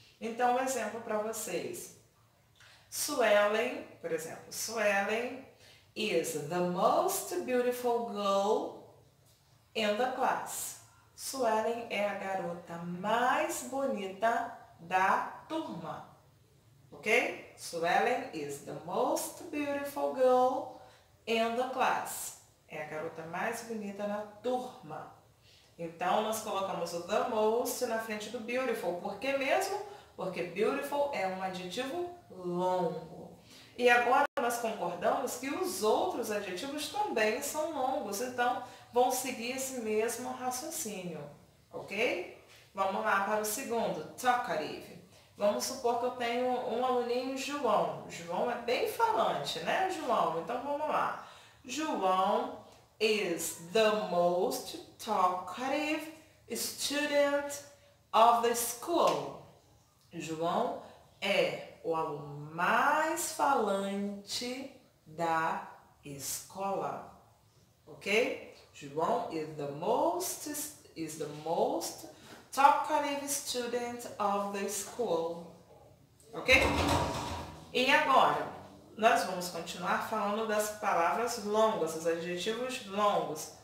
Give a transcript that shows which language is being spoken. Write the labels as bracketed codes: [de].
[pt] Então, um exemplo para vocês. Suelen, por exemplo, [en] Suelen is the most beautiful girl in the class. [pt] Suelen é a garota mais bonita da turma. Ok? [en] Suelen is the most beautiful girl in the class. [pt] É a garota mais bonita na turma. Então, nós colocamos o the most na frente do beautiful. Por que mesmo? Porque beautiful é um adjetivo longo. E agora nós concordamos que os outros adjetivos também são longos. Então, vão seguir esse mesmo raciocínio. Ok? Vamos lá para o segundo, talkative. Vamos supor que eu tenho um aluninho João. João é bem falante, né, João? Então, vamos lá. [en] João is the most talkative student of the school. [pt] João é o aluno mais falante da escola. Ok? [en] João is the most talkative student of the school. [pt] Ok? E agora? Nós vamos continuar falando das palavras longas, os adjetivos longos.